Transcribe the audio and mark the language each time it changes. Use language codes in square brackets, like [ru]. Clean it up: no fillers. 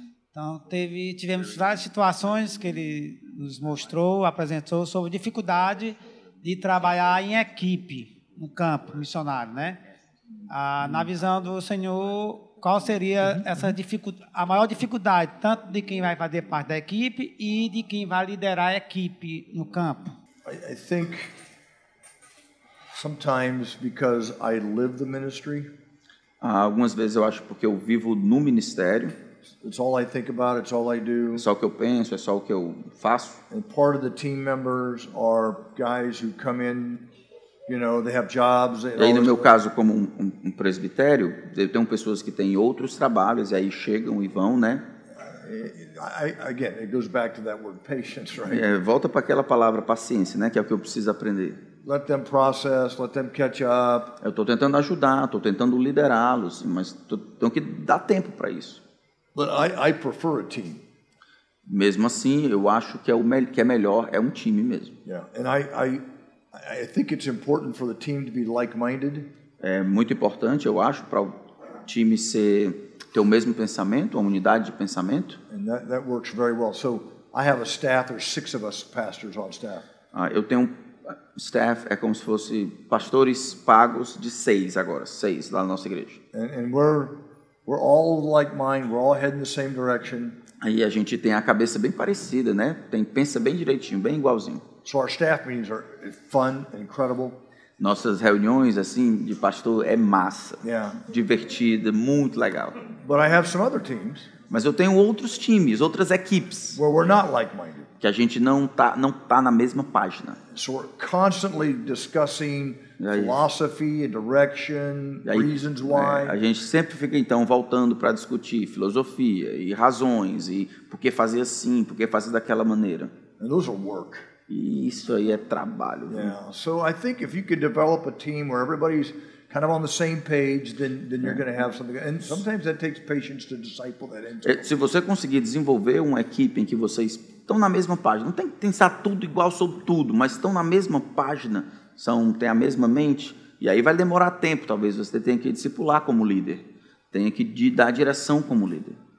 [pt] Então, tivemos várias situações que ele nos mostrou, apresentou, sobre dificuldade de trabalhar em equipe, no campo missionário, né? Ah, na visão do Senhor, qual seria essa a maior dificuldade, tanto de quem vai fazer parte da equipe e de quem vai liderar a equipe no campo? [en] I think sometimes because I live the ministry. [pt] Algumas vezes eu acho porque eu vivo no ministério. [en] It's all I think about, it's all I do. [pt] É só o que eu penso, é só o que eu faço. [en] And part of the team members are guys who come in, you know, they have jobs. [pt] E aí, no meu caso, como um presbitério, eu tenho pessoas que têm outros trabalhos, e aí chegam e vão, né? [en] Again, it goes back to that word patience, right? [pt] Volta para aquela palavra paciência, né? Que é o que eu preciso aprender. [en] Let them process, let them catch up. [pt] Eu estou tentando ajudar, estou tentando liderá-los, mas tenho que dar tempo para isso. [en] But I prefer a team. [pt] Mesmo assim, eu acho que é melhor é um time mesmo. [en] Yeah. And I think it's important for the team to be like-minded. [pt] É muito importante, eu acho, para o time ter o mesmo pensamento, uma unidade de pensamento. [en] And that works very well. So I have a staff, there's six of us pastors on staff. [pt] Eu tenho staff, é como se fosse pastores pagos de seis agora, seis lá na nossa igreja. [en] And we're all like-minded, we're all heading the same direction. [pt] Aí a gente tem a cabeça bem parecida, né? Pensa bem direitinho, bem igualzinho. [en] So our staff meetings are fun and incredible. [pt] Nossas reuniões assim de pastor é massa. [en] Yeah. [pt] Divertida, muito legal. [en] But I have some other teams. [pt] Mas eu tenho outros times, outras equipes. [en] Where we're not like-minded. [pt] Que a gente não tá na mesma página. [en] So we're constantly discussing philosophy, direction, reasons why. [pt] A gente sempre fica então voltando para discutir filosofia e razões e por que fazer assim, por que fazer daquela maneira. [en] And those are work. [pt] E isso aí é trabalho. [en] Yeah. So I think if you could develop a team where everybody's kind of on the same page, then you're going to have something. And sometimes that takes patience to disciple that into. [pt] Se você conseguir desenvolver uma equipe em que vocês estão na mesma página, não tem que pensar tudo igual sobre tudo, mas estão na mesma página. Tem a mesma mente, e aí vai demorar tempo, talvez você tenha que discipular como líder, tenha que dar direção como líder.